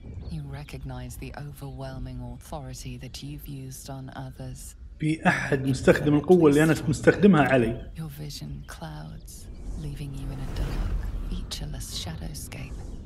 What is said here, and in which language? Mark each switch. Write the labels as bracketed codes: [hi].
[en] You recognize the overwhelming authority that you've used on others. [ar] في احد مستخدم القوه اللي انا مستخدمها علي. [en] Your vision clouds, leaving you in a dark, featureless shadowscape.